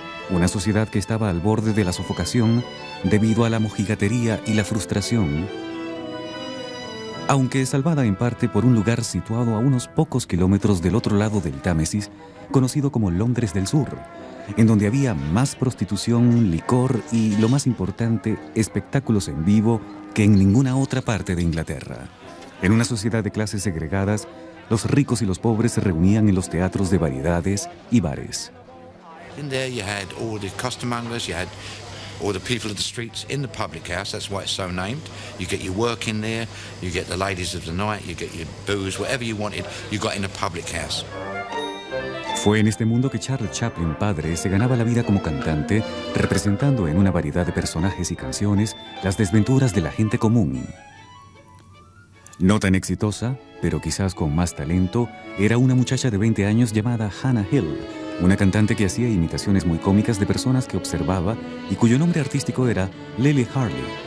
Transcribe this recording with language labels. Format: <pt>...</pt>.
<es>Una sociedad que estaba al borde de la sofocación debido a la mojigatería y la frustración, aunque salvada en parte por un lugar situado a unos pocos kilómetros del otro lado del Támesis, conocido como Londres del Sur, en donde había más prostitución, licor y, lo más importante, espectáculos en vivo que en ninguna otra parte de Inglaterra. En una sociedad de clases segregadas, los ricos y los pobres se reunían en los teatros de variedades y bares.</es> <en>In there you had all the costermongers, you had all the people of the streets in the public house, that's why it's so named. You get your work in there, you get the ladies of the night, you get your booze, whatever you wanted, you got in a public house.</en> <es>Fue en este mundo que Charles Chaplin padre se ganaba la vida como cantante, representando en una variedad de personajes y canciones las desventuras de la gente común. No tan exitosa, pero quizás con más talento, era una muchacha de 20 años llamada Hannah Hill, una cantante que hacía imitaciones muy cómicas de personas que observaba y cuyo nombre artístico era Lily Harley.</es>